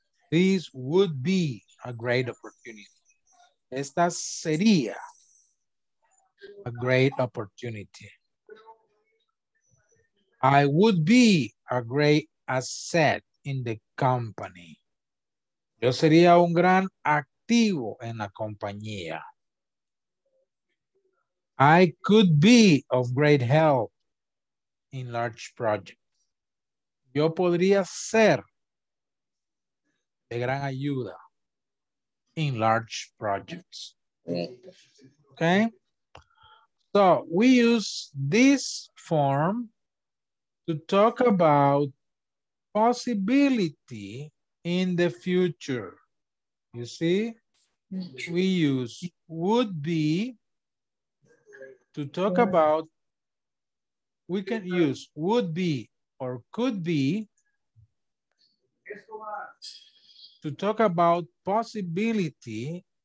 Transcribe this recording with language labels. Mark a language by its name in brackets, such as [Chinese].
[English] This would be a great opportunity. [Spanish] Esta sería [English] a great opportunity. I would be a great asset in the company. [Spanish] Yo sería un gran activo en la compañía. [English] I could be of great help in large projects. [Spanish] Yo podría ser de gran ayuda [English] in large projects. Okay? So we use this form to talk about possibility in the future. You see? We use would be to talk about, we can use would be or could be to talk about possibility